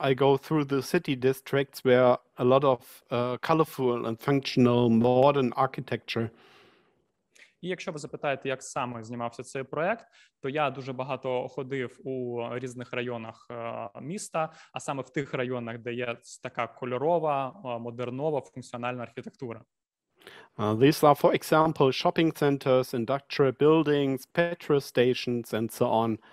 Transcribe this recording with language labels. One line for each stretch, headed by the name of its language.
English: I go through the city districts where a lot of colorful and functional modern architecture.
Ukrainian: І якщо ви запитаєте, як саме знімався цей проект, то я дуже багато ходив у різних районах міста, а саме в тих районах, де є така кольорова, модернова, функціональна архітектура.
English: These are, for example, shopping centers, industrial buildings, petrol stations, and so on.